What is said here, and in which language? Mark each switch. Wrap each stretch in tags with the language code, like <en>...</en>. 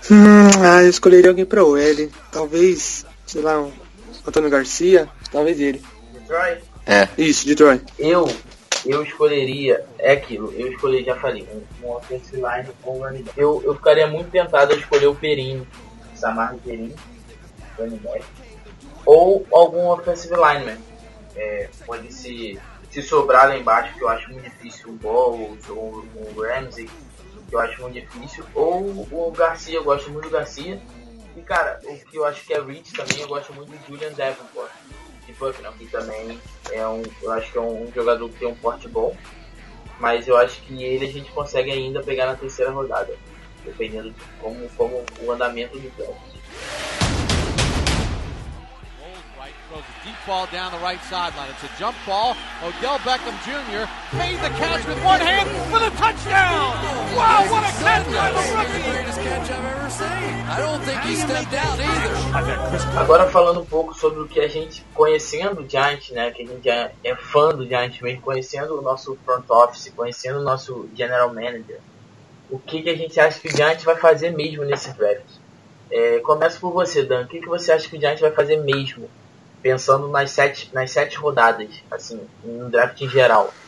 <pt>Eu escolheria alguém pra OL. Talvez, sei lá, Antônio Garcia. Talvez ele. Detroit? É. Isso, Detroit. Eu escolheria... É aquilo. Eu escolheria, já falei, um offensive line com um running back. Eu ficaria muito tentado a escolher o Perin. Samar Perin. Running back. Ou algum offensive lineman. Pode ser... Se sobrar lá embaixo, que eu acho muito difícil, o Ball ou o Ramsey, que eu acho muito difícil, ou o Garcia, eu gosto muito do Garcia. E cara, o que eu acho que é Rich também, eu gosto muito do Julian Davenport, de Bucknell, que também é um jogador que tem um porte bom, mas eu acho que ele a gente consegue ainda pegar na terceira rodada, dependendo de como o andamento do campo.</pt> <en>Deep ball down the right sideline. It's a jump ball. Odell Beckham Jr. made the catch with one hand for the touchdown. Wow, what a catch by the rookie! Greatest catch I've ever seen. I don't think he stepped down either.</en> <pt>Agora falando um pouco sobre o que a gente conhecendo o Giants, né? Que a gente é fã do Giants mesmo, conhecendo o nosso front office, conhecendo o nosso general manager. O que a gente acha que o Giants vai fazer mesmo nesse draft? Começo por você, Dan. O que você acha que o Giants vai fazer mesmo? Pensando nas sete rodadas, assim, no draft em geral.</pt>